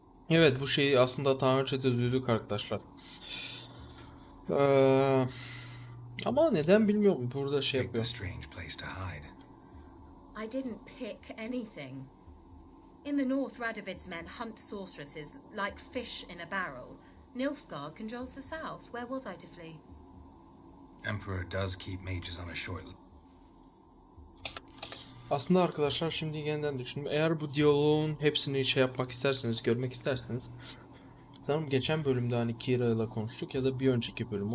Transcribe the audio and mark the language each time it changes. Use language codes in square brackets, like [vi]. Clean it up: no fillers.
[tr] Evet, bu şeyi aslında daha önce de duyduk arkadaşlar. Ama neden bilmiyorum, burada şey [en] Picked a [tr] yapıyor. [en] strange place to hide. I didn't pick anything. In the north, Radovid's men hunt sorceresses like fish in a barrel. Nilfgaard controls the south. Where was I to flee? Emperor does keep mages on a short. [tr] Aslında arkadaşlar şimdi yeniden düşündüm. Eğer bu diyaloğun hepsini şey yapmak isterseniz, görmek isterseniz. Sanırım geçen bölümde hani Kira ile konuştuk ya da bir önceki bölüm.